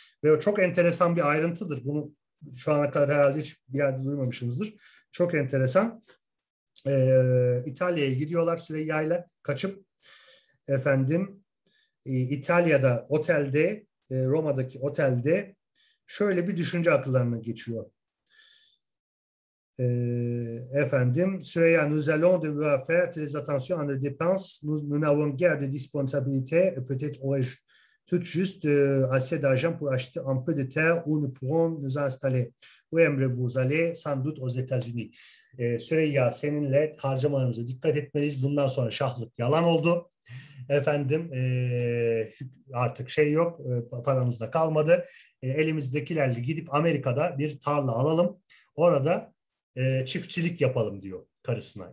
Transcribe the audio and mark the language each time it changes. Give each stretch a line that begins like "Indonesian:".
Turkish: Ve o çok enteresan bir ayrıntıdır. Bunu şu ana kadar herhalde hiç bir yerde duymamışsınızdır. Çok enteresan. İtalya'ya gidiyorlar Süreyya'yla kaçıp. Efendim İtalya'da otelde, Roma'daki otelde şöyle bir düşünce akıllarına geçiyor. Efendim
French: Süreyya, nous allons devoir faire très attention à nos dépenses. Nous n'avons guère de disponibilité. Peut-être aurais-je tout juste assez d'argent pour acheter un peu de terre où nous pourrons nous installer. Où aimerez-vous aller? Sans doute aux États-Unis.
Turkish: Süreyya, seninle harcamalarımıza dikkat etmeliyiz. Bundan sonra şahlık yalan oldu. Efendim artık şey yok, paramız da kalmadı. Elimizdekilerle gidip Amerika'da bir tarla alalım. Orada çiftçilik yapalım diyor karısına.